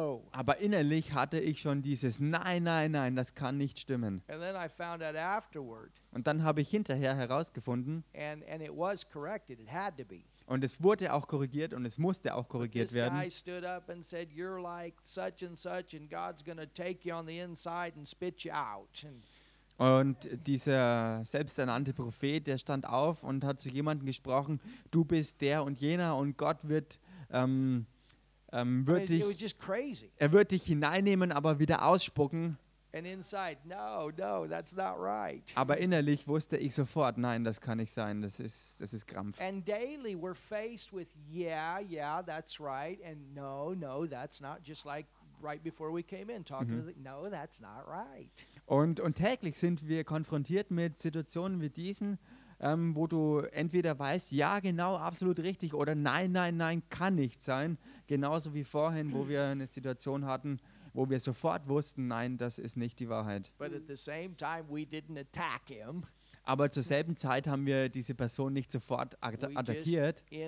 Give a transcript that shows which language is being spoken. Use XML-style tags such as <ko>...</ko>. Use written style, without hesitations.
<de>Aber innerlich hatte ich schon dieses nein, das kann nicht stimmen.</de> <en>And then I found out afterward.</en> <de>Und dann habe ich hinterher herausgefunden.</de> <en>And it was corrected, it had to be.</en> <de>Und es wurde auch korrigiert und es musste auch korrigiert werden.</de> <en>This guy stood up and said, you're like such and such and God's gonna take you on the inside and spit you out.</en> <de>Und dieser selbsternannte Prophet, der stand auf und hat zu jemandem gesprochen, du bist der und jener und Gott wird dich hineinnehmen, aber wieder ausspucken.</de> <en>And inside, no, that's not right.</en> <de>Aber innerlich wusste ich sofort, nein, das kann nicht sein, das ist Krampf.</de> <en>And daily we're faced with, yeah, that's right, and no, that's not, just like right before we came in, talking to the, no, that's not right.</en> <de>Und täglich sind wir konfrontiert mit Situationen wie diesen, wo du entweder weißt, ja, genau, absolut richtig, oder nein, kann nicht sein. Genauso wie vorhin, wo wir eine Situation hatten, wo wir sofort wussten, nein, das ist nicht die Wahrheit.</de> <en>But at the same time we didn't attack him.</en> <de>Aber zur selben Zeit haben wir diese Person nicht sofort attackiert.</de>